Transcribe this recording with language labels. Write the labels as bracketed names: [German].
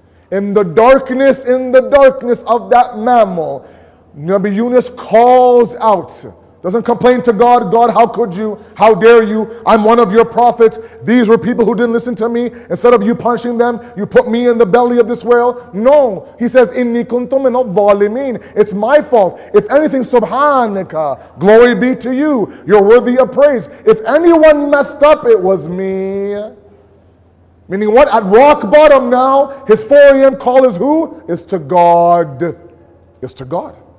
[English] In the darkness of that mammal, Nabi Yunus calls out, doesn't complain to God, God, how could you? How dare you? I'm one of your prophets. These were people who didn't listen to me. Instead of you punishing them, you put me in the belly of this whale. No, he says, [Arabic] إِنِّي كُنْتُمْ مِنَ الظَّالِمِينَ. [English] It's my fault. If anything, subhanaka, glory be to you. You're worthy of praise. If anyone messed up, it was me. Meaning what? At rock bottom now, his 4 a.m. call is who? It's to God. It's to God.